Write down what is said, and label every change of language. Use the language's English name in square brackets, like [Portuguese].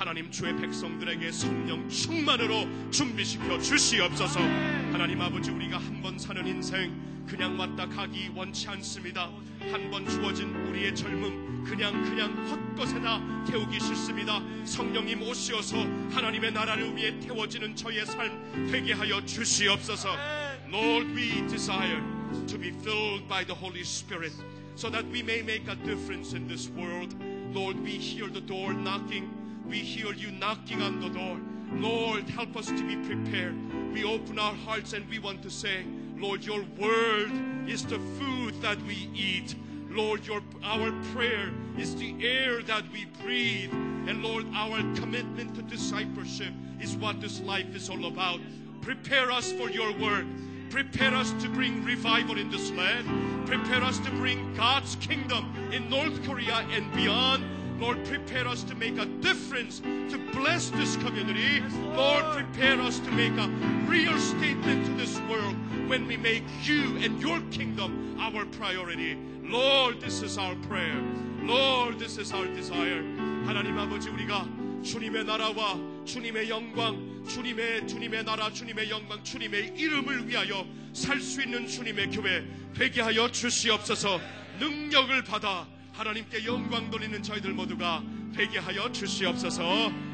[Korean] 주의 백성들에게 성령 충만으로 준비시켜 주시옵소서. 하나님 아버지, 우리가 한번 사는 인생 그냥 왔다 가기 원치 않습니다. 한번 주어진 우리의 젊음 그냥 헛것에다 태우기 싫습니다. 성령님 오시어서 하나님의 나라를 위해 태워지는 저희의 삶 되게 하여 주시옵소서. [English] Lord, we desire to be filled by the Holy Spirit so that we may make a difference in this world. Lord, we hear the door knocking. We hear you knocking on the door. Lord, help us to be prepared. We open our hearts and we want to say, Lord, your word is the food that we eat. Lord, our prayer is the air that we breathe. And Lord, our commitment to discipleship is what this life is all about. Prepare us for your word. Prepare us to bring revival in this land. Prepare us to bring God's kingdom in North Korea and beyond. Lord, prepare us to make a difference, to bless this community. Lord, prepare us to make a real statement to this world when we make you and your kingdom our priority. Lord, this is our prayer. Lord, this is our desire. [Korean] 하나님 아버지, 우리가 주님의 나라와 주님의 영광, 주님의 나라, 주님의 영광, 주님의 이름을 위하여 살 수 있는 주님의 교회 되게 하여 주시옵소서. 능력을 받아 하나님께 영광 돌리는 저희들 모두가 되게 하여 주시옵소서.